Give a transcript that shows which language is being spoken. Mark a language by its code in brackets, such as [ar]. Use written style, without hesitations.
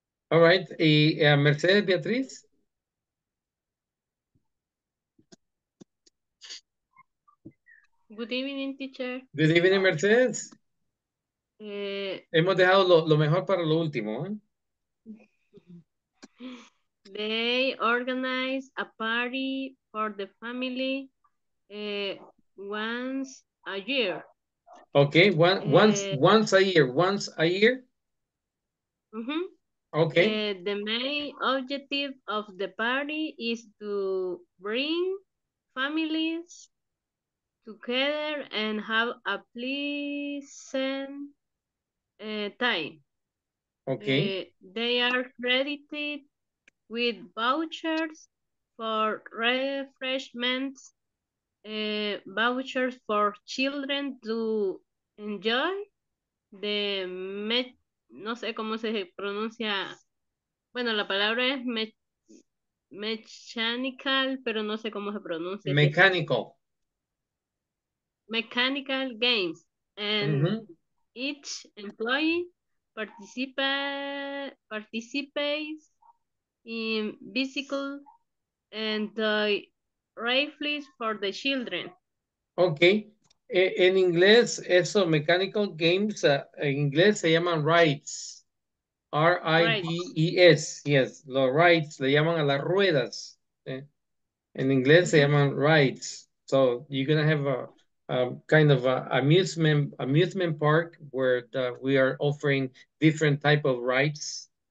[en] All right, y Mercedes, Beatriz. Good evening, teacher. Good evening, Mercedes. [es] Hemos dejado lo mejor para lo último, ¿eh? [en] They organize a party for the family once a year. Okay, once a year. Mm-hmm. Okay. The main objective of the party is to bring families together and have a pleasant time. Okay. They are credited with vouchers for refreshments, vouchers for children to enjoy the no sé cómo se pronuncia. [es] Bueno, la palabra es mechanical, pero no sé cómo se pronuncia. [en] Mechanical. mechanical games, and mm-hmm. each employee participates in bicycle and rifles for the children. Okay. [es] En inglés, eso, mechanical games, en inglés se llaman rides. R-I-D-E-S. Yes, los rides, le llaman a las ruedas. [en] En inglés se llaman rides. So you're going to have a kind of a amusement park where we are offering different type of rides.